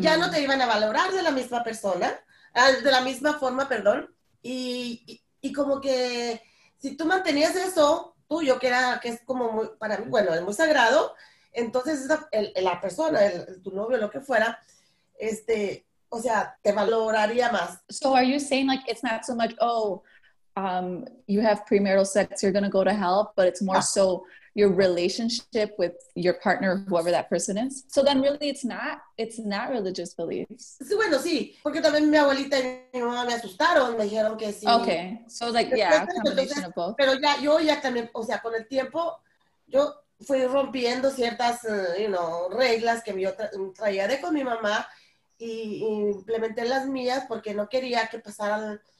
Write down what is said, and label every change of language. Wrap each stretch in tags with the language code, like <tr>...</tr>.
<es>Ya no te iban a valorar de la misma persona, de la misma forma, perdón, y como que si tú mantenías eso, tuyo, que es como muy, para mí, bueno, es muy sagrado, entonces la persona, tu novio, lo que fuera, o sea, te valoraría más.</es> <en>So are you saying like it's not so much, oh, you have premarital sex, you're going to go to hell, but it's more so your relationship with your partner, whoever that person is. So then really it's not religious beliefs.</en> <es>Sí, bueno, sí, porque también mi abuelita y mi mamá me asustaron, me dijeron que sí.</es> <en>Okay, so like, yeah, combination of both.</en> <es>Pero ya, yo ya también, o sea, con el tiempo, yo fui rompiendo ciertas,</es> <en>you know,</en> <es>reglas que yo traía de con mi mamá y implementé las mías porque no quería que pasaran...</es>